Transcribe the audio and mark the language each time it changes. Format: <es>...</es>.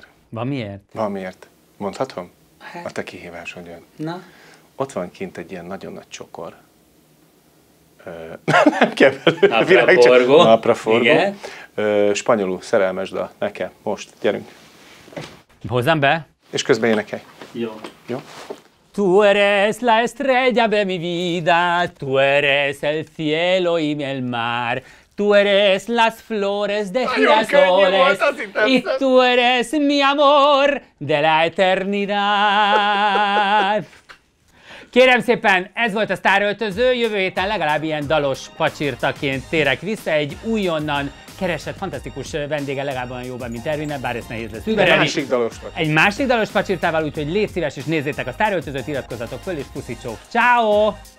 <hu>Van miért? Mondhatom? A te kihívásod jön. Na? Ott van kint egy ilyen nagyon nagy csokor. nem keverő, virágcsapó, napraforgó, spanyolú szerelmes dal, nekem, most, gyerünk. Hozzám be? És közben énekelj. Jó. Jó?</hu> <es>Tú eres la estrella de mi vida, tú eres el cielo y el mar. Tú eres las flores de girasoles y tú eres mi amor de la eternidad.</es> <hu>Kérem szépen, ez volt a sztáröltöző, jövő héten legalább ilyen dalos pacsirtaként térek vissza, egy újonnan keresett fantasztikus vendége legalább olyan jóban, mint Ervin, bár ez nehéz lesz. Egy másik dalos pacsirtával, úgyhogy légy szíves és nézzétek a sztáröltözőt, iratkozzatok föl és puszítsók. Ciao!</hu>